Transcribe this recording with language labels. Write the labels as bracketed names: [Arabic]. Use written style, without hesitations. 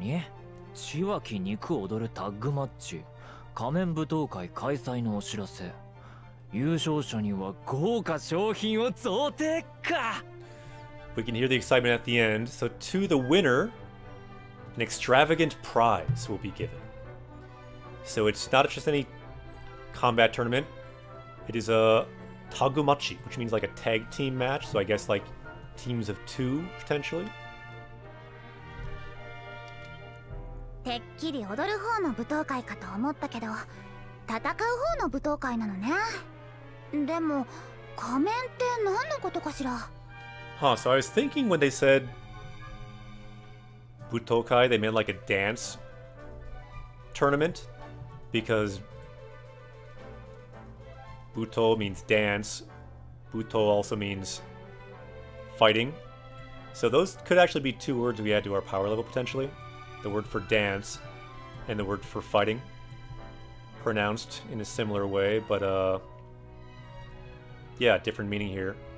[Japanese] 千秋肉踊るタッグマッチ仮面舞踏会開催のお知らせ優勝者には豪華賞品を贈呈か。 [English] We can hear the excitement at the end. So to the winner, an extravagant prize will be given. So it's not just any combat tournament. It is a tagumachi, which means like a tag team match. So I guess like teams of two potentially. [Japanese] てっきり踊る方の舞踏会かと思ったけど戦う方の舞踏会なのね。でも仮面って何のことかしら。 [English] Huh, so I was thinking when they said 舞踏会 they meant like a dance tournament, because 舞踏 means dance, 舞踏 also means fighting, so those could actually be two words we add to our power level potentiallyThe word for dance and the word for fighting, pronounced in a similar way, but yeah, different meaning here.